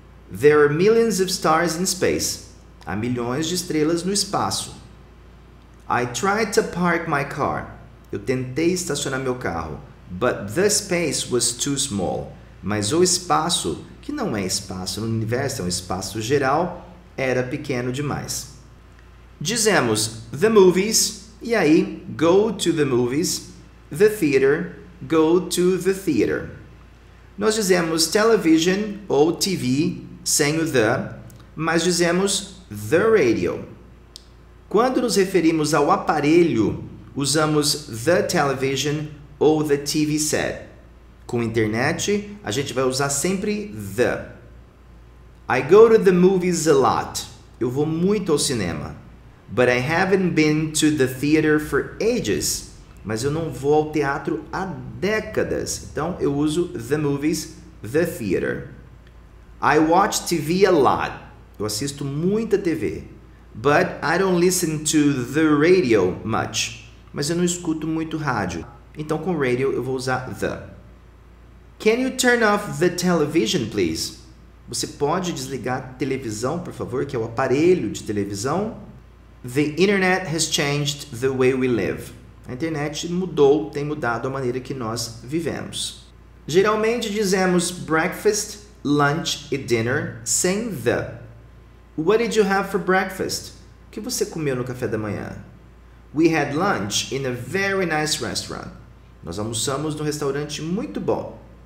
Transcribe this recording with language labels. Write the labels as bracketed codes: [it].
[en] There are millions of stars in space. [pt] Há milhões de estrelas no espaço. [en] I tried to park my car. [pt] Eu tentei estacionar meu carro. [en] But the space was too small. [pt] Mas o espaço, que não é espaço no universo, é um espaço geral, era pequeno demais. Dizemos the movies, e aí go to the movies, the theater, go to the theater. Nós dizemos television ou TV, sem o the, mas dizemos the radio. Quando nos referimos ao aparelho, usamos the television ou the TV set. Com internet, a gente vai usar sempre the. [en] I go to the movies a lot. [pt] Eu vou muito ao cinema. [en] But I haven't been to the theater for ages. [pt] Mas eu não vou ao teatro há décadas. Então eu uso the movies, the theater. [en] I watch TV a lot. [pt] Eu assisto muita TV, [en] but I don't listen to the radio much. [pt] Mas eu não escuto muito rádio. Então, com radio, eu vou usar the. [en] Can you turn off the television, please? [pt] Você pode desligar a televisão, por favor, que é o aparelho de televisão? [en] The internet has changed the way we live. [pt] A internet mudou, tem mudado a maneira que nós vivemos. Geralmente dizemos breakfast, lunch e dinner sem the. [en] What did you have for breakfast? [pt] O que você comeu no café da manhã? [en] We had lunch in a very nice restaurant. [pt] Nós almoçamos num restaurante muito bom.